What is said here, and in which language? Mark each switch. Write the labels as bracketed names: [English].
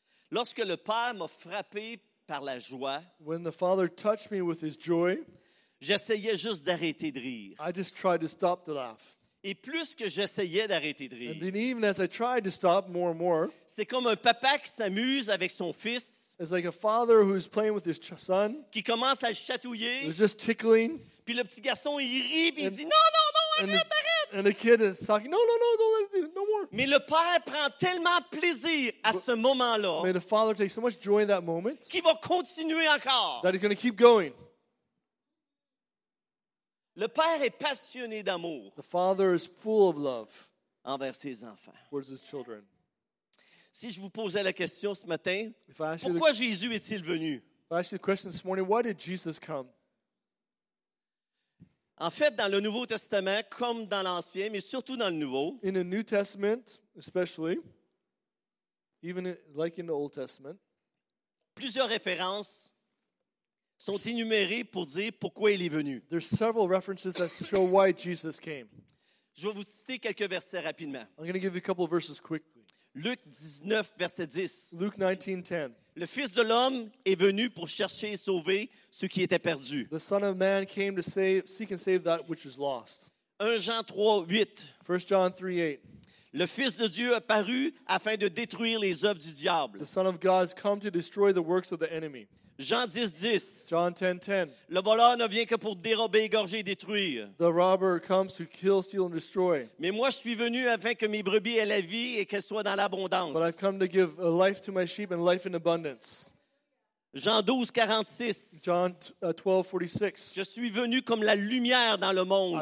[French] Lorsque le Père m'a frappé par la joie, [English] when the Father touched me with his joy, [French] j'essayais juste d'arrêter de rire. [English] I just tried to stop to laugh. [French] Et plus que j'essayais d'arrêter de rire, [English] and then even as I tried to stop more and more, [French] c'est comme un papa qui s'amuse avec son fils, [English] it's like a father who's playing with his son, [French] qui commence à le chatouiller, [English] who's just tickling, [French] puis le petit garçon il rit puis il dit non, non, non, arrête, arrête. [English] And the kid is talking, no, no, no, don't let it do it, no more. [French] Mais le père prend tellement plaisir à ce moment-là. [English] May the father take so much joy in that moment. [French] Qu'il va continuer encore. [English] That he's going to keep going. [French] Le père est passionné d'amour. [English] The father is full of love. [French] Envers ses enfants. [English] Towards his children. [French] Si je vous posais la question ce matin, pourquoi Jésus est-il venu? [English] If I ask you the question this morning, why did Jesus come? [French] En fait, dans le Nouveau Testament, comme dans l'Ancien, mais surtout dans le Nouveau. [English] In the New Testament, especially, even like in the Old Testament, [French] plusieurs références sont énumérées pour dire pourquoi il est venu. [English] There's several references that show why Jesus came. [French] Je vais vous citer quelques versets rapidement. [English] I'm going to give you a couple of verses quickly. [French] Luc 19, verset 10. [English] Luke 19, 10. [French] Le Fils de l'homme est venu pour chercher et sauver ce qui était perdu. [English] The Son of Man came to save, seek and save that which is lost. [French] 1 Jean 3, 8. [English] 1 John 3, 8. [French] Le Fils de Dieu est paru afin de détruire les œuvres du diable. [English] The Son of God has come to destroy the works of the enemy. [French] Jean 10, 10. [English] John 10, 10. [French] Le voleur ne vient que pour dérober, égorger et détruire. [English] The robber comes to kill, steal and destroy. [French] Mais moi, je suis venu afin que mes brebis aient la vie et qu'elles soient dans l'abondance. [English] But I've come to give a life to my sheep and life in abundance. [French] Jean 12, 46. [English] John 12, 46. [French] Je suis venu comme la lumière dans le monde.